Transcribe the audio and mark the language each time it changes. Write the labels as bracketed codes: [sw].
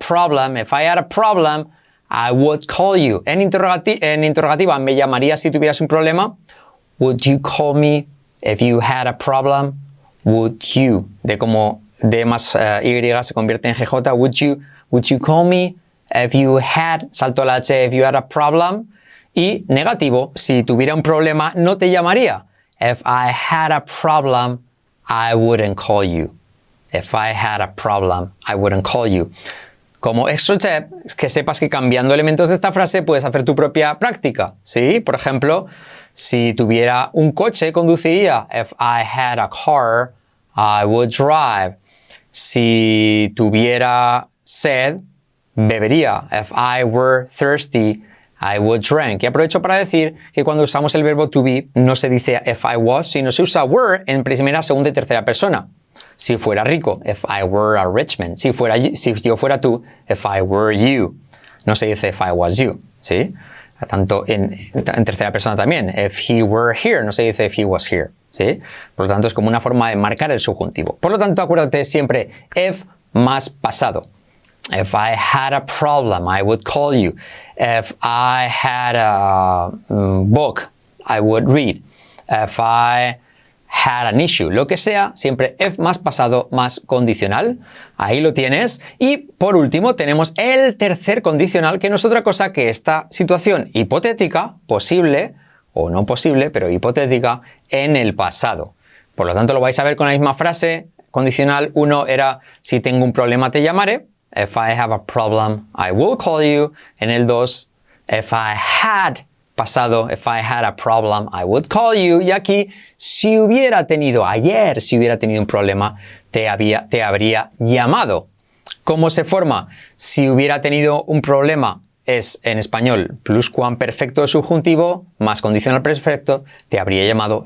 [en] If I had a problem, I would call you. [es] En interrogativa, ¿me llamaría si tuvieras un problema? [en] Would you call me if you had a problem? Would you? [es] De como D más Y se convierte en GJ. [en] Would you call me if you had, [es] salto la H, [en] if you had a problem? [es] Y negativo, si tuviera un problema, no te llamaría. [en] If I had a problem, I wouldn't call you. If I had a problem, I wouldn't call you. [es] Como extra tip, que sepas que cambiando elementos de esta frase puedes hacer tu propia práctica, ¿sí? Por ejemplo, si tuviera un coche, conduciría. [en] If I had a car, I would drive. [es] Si tuviera sed, bebería. [en] If I were thirsty, I would drink. [es] Y aprovecho para decir que cuando usamos el verbo to be, no se dice [en] if I was, [es] sino se usa were en primera, segunda y tercera persona. Si fuera rico, [en] if I were a rich man. [es] Si yo fuera tú, [en] if I were you. [es] No se dice [en] if I was you, [es] ¿sí? Tanto en tercera persona también. [en] If he were here, [es] no se dice [en] if he was here, ¿sí? [es] Por lo tanto, es como una forma de marcar el subjuntivo. Por lo tanto, acuérdate siempre if más pasado. [en] If I had a problem, I would call you. If I had a book, I would read. If I had an issue, [es] lo que sea, siempre if más pasado más condicional. Ahí lo tienes. Y por último, tenemos el tercer condicional, que no es otra cosa que esta situación hipotética, posible o no posible, pero hipotética, en el pasado. Por lo tanto, lo vais a ver con la misma frase. Condicional 1 era, si tengo un problema te llamaré. [en] If I have a problem, I will call you. [es] En el 2, [en] if I had, pasado, if I had a problem, I would call you. [es] Y aquí, si hubiera tenido ayer, si hubiera tenido un problema, te habría llamado. ¿Cómo se forma? Si hubiera tenido un problema, es en español, pluscuamperfecto subjuntivo, más condicional perfecto, te habría llamado.